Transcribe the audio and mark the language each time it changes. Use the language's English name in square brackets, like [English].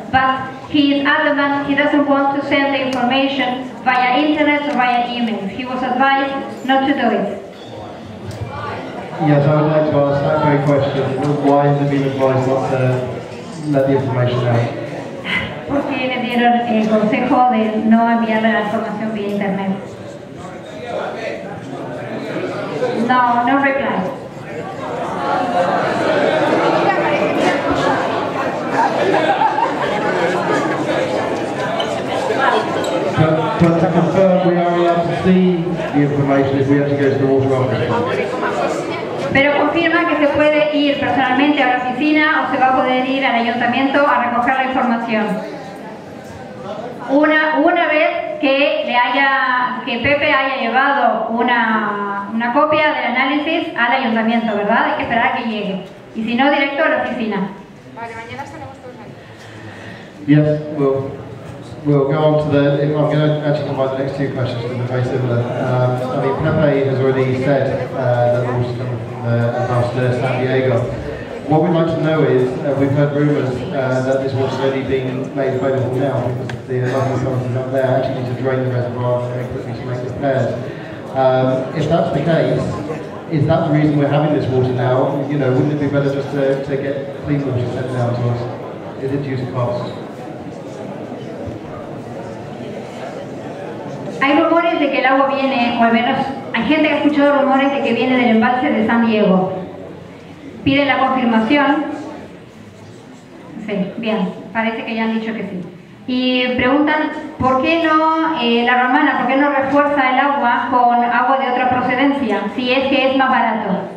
[English] but he is adamant he doesn't want to send the information via internet or via emails. He was advised not to do it. Yes, I would like to ask that very question. Why has it been advised not to let the information out? [Spanish] Porque le dieron el consejo de no enviar la información vía internet. [English] No, no reply. But to confirm, we are allowed to see the information if we have to go to the water office. [Spanish] Pero confirma que se puede ir personalmente a la oficina o se va a poder ir al ayuntamiento a recoger la información. Una vez que le haya, que Pepe haya llevado una copia del análisis al ayuntamiento, ¿verdad? Hay que esperar a que llegue. Y si no, directo a la oficina. Vale, mañana estaremos todos ahí. [English] Yes, we'll go on to the, I'm going to actually combine the next two questions that are very similar. I mean, Pepe has already said that the water's coming from the ambassador San Diego. What we'd like to know is, we've heard rumours that this water's already being made available now because the local authorities are not there actually need to drain the reservoir very quickly to make repairs. If that's the case, is that the reason we're having this water now? You know, wouldn't it be better just to get clean water sent down to us? Is it due to cost? [Spanish] Hay rumores de que el agua viene, o al menos hay gente que ha escuchado rumores de que viene del embalse de San Diego. Piden la confirmación. Sí, bien, parece que ya han dicho que sí. Y preguntan por qué no la romana, por qué no refuerza el agua con agua de otra procedencia, si es que es más barato.